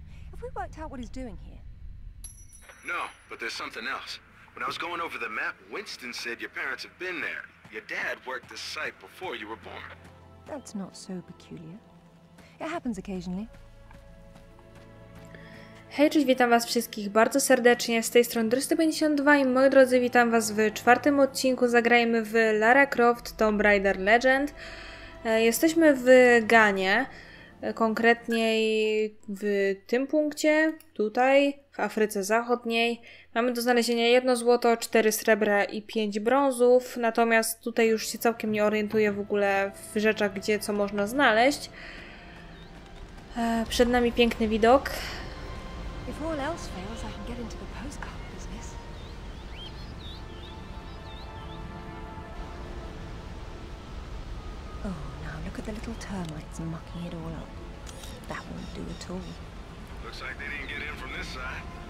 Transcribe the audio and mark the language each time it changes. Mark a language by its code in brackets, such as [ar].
[en] Have we worked out what he's doing here? No, but there's something else. When I was going over the map, Winston said your parents have been there. Your dad worked the site before you were born. That's not so peculiar. It happens occasionally. [pl] Hej, cześć, witam was wszystkich bardzo serdecznie, z tej strony Drysty52 i moi drodzy, witam was w czwartym odcinku, zagrajmy w Lara Croft Tomb Raider Legend. Jesteśmy w Ganie, konkretniej w tym punkcie, tutaj, w Afryce Zachodniej. Mamy do znalezienia jedno złoto, 4 srebra i 5 brązów, natomiast tutaj już się całkiem nie orientuję w ogóle w rzeczach, gdzie co można znaleźć. Przed nami piękny widok. [en] If all else fails, I can get into the postcard business. Oh, now look at the little termites mucking it all up. That won't do at all. Looks like they didn't get in from this side.